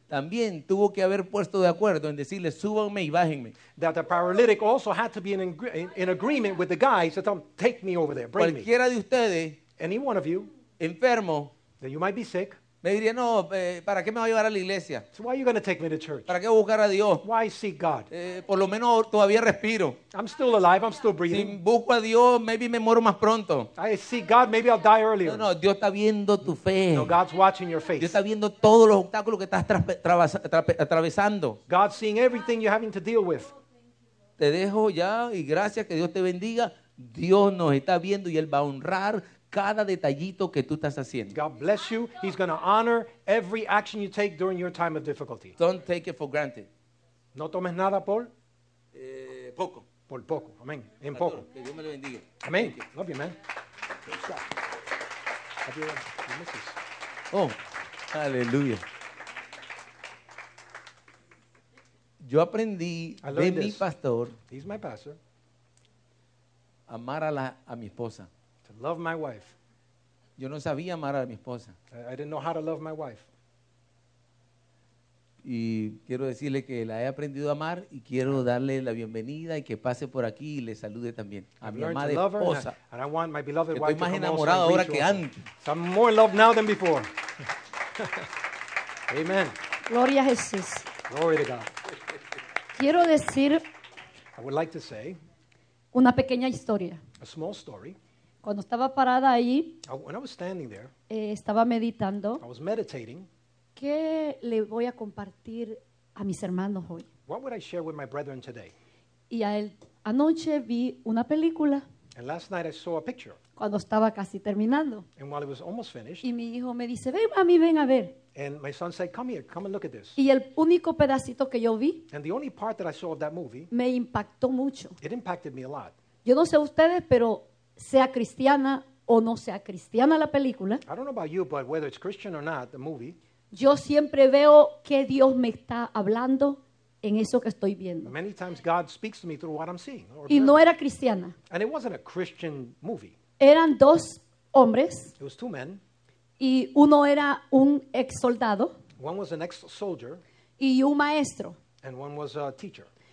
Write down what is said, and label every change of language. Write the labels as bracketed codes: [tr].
[es] también tuvo que haber puesto de acuerdo en decirle súbanme y bájenme. [en] That the paralytic also had to be in agreement with the guy to tell him, take me over there, bring [es] cualquiera [en] me. [es] Cualquiera de ustedes, [en] any one of you, [es] enfermo, [en] that you might be sick, [es] me diría, no, ¿para qué me va a llevar a la iglesia? [en] So why are you going to take me to church? [es] ¿Para qué buscar a Dios? [en] Why seek God? [es] Por lo menos todavía respiro. [en] I'm still alive, I'm still breathing. [es] Si busco a Dios, [en] maybe [es] me muero más pronto. [en] I seek God, maybe I'll die earlier. [es] No, Dios está viendo tu fe. [en] No, God's watching your faith. [es] Dios está viendo todos los obstáculos que estás atravesando. [en] God's seeing everything you're having to deal with. [es] Te dejo ya y gracias, que Dios te bendiga. Dios nos está viendo y Él va a honrar cada detallito que tú estás haciendo. [en] God bless you. He's going to honor every action you take during your time of difficulty. Don't take it for granted. [es] No tomes nada por poco. Por poco. Amén. En poco. Que Dios me lo bendiga. [en] Amén. Love you, man. Good stuff. Have your missus. Oh, hallelujah. [es] Yo aprendí de mi pastor. [en] He's my pastor. [es] Amar a mi esposa. [en] Love my wife. [es] Yo no sabía amar a mi esposa. [en] I didn't know how to love my wife. [es] Y quiero decirle que la he aprendido a amar y quiero darle la bienvenida y que pase por aquí y le salude también a [en] I've [es] mi amada esposa. [en] And I want my beloved wife [es] estoy más enamorado ahora que antes. [en] I'm more in love now than before. Amen. [es] Gloria a Jesús. [en] Glory to God. [es] Quiero decir [en] I would like to say [es] una pequeña historia. [en] A small story. [es] Cuando estaba parada ahí, [en] when I was standing there, [es] estaba meditando. [en] I was meditating. [es] ¿Qué le voy a compartir a mis hermanos hoy? [en] What would I share with my brethren today? [es] Y anoche vi una película. [en] And last night I saw a picture. [es] Cuando estaba casi terminando. [en] And while it was almost finished. [es] Y mi hijo me dice, ven mami, ven a ver. [en] And my son said, come here, come and look at this. [es] Y el único pedacito que yo vi. [en] And the only part that I saw of that movie. [es] Me impactó mucho. [en] It impacted me a lot. [es] Yo no sé ustedes, pero sea cristiana o no sea cristiana la película. [en] I don't know about you, but whether it's Christian or not, the movie. [es] Yo siempre veo que Dios me está hablando en eso que estoy viendo. [en] Many times God speaks to me through what I'm seeing. Or [es] y no era cristiana. [en] And it wasn't a Christian movie. [es] Eran dos hombres. [en] It was two men. [es] Y uno era un ex soldado. [en] One was an ex-soldier. [es] y un maestro. [en] And one was a teacher.